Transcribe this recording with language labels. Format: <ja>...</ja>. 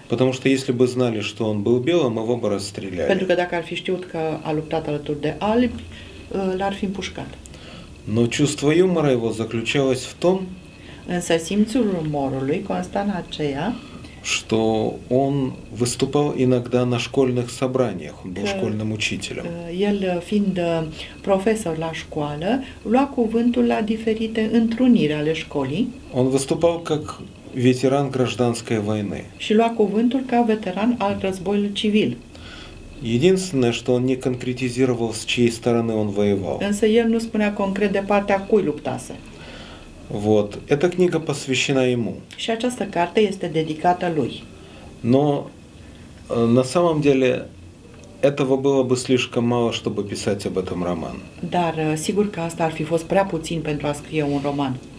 <ru>Потому что если бы знали, что он был белым, его бы расстреляли.</ru> <ro>Pentru că dacă ar fi știut că a luptat alături de albi, l-ar fi împușcat.</ro> <ru>Но чувство юмора его заключалось в том,</ru> <ro>însă simțul umorului consta în aceea,</ro> <ru>что он выступал иногда на школьных собраниях, он был школьным учителем.</ru> <ro>El fiind profesor la școală, lua cuvântul la diferite întruniri ale școlii.</ro> <ru>Он выступал как ветеран гражданской войны.</ru> <ro>Și lua cuvântul ca veteran al războiului civil.</ro> <ru>Единственное, что он не конкретизировал, с чьей стороны он воевал.</ru> <ro>Însă el nu spunea concret de partea cui luptase.</ro> <ru>Вот, эта книга посвящена ему.</ru> <ro>Și această carte este dedicată lui.</ro> <ru>Но на самом деле этого было бы слишком мало, чтобы писать об этом роман.</ru> <ro>Dar sigur că asta ar fi fost prea puțin pentru a scrie un roman.</ro>